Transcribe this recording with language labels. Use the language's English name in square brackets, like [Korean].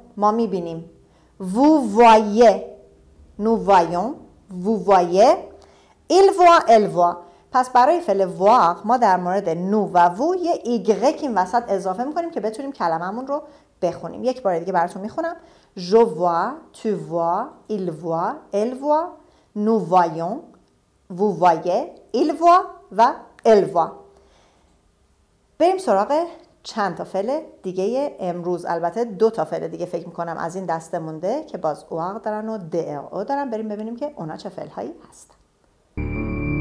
[Persian] ما میبینیم. [French] Vous voyez. Nous voyons. Vous voyez. Il voit, elle voit. [Persian] پس برای فعل voir ما در مورد نو و وو یه ایگرک این وسط اضافه میکنیم که بتونیم کلممون رو بخونیم. یک بار دیگه براتون میخونم. [French] Je vois, tu vois, il voit, elle voit, nous voyons, vous voyez, il voit و elle voit. [Persian] بریم سراغ چند تا فعل دیگه امروز. البته دو تا فعل دیگه فکر میکنم از این دسته مونده که باز واق دارن و در او دارن. بریم ببینیم که اونا چه فعل هایی هستن.